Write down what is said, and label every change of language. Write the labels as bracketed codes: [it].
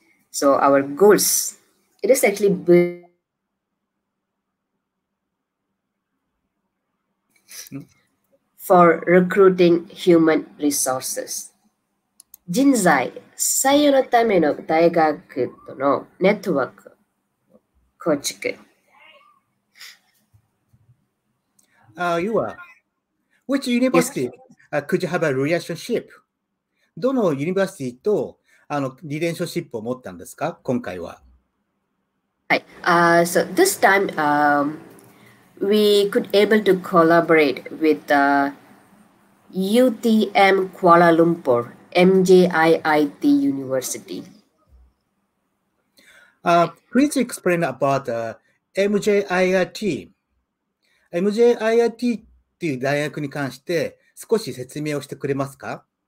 [en] So our goals, it is actually for recruiting human resources. [ja] Jinzai, saiyou no tame no daigaku to no network kochiku. [en] Yua, which university could you have a relationship? [ja] Dono university to リレーションシップを持ったんですか今回は。はい。 [en] So this time, we could able to collaborate with UTM Kuala Lumpur, MJIIT University. Please explain about MJIIT. [ja] MJIIT という大学に関して少し説明をしてくれますか。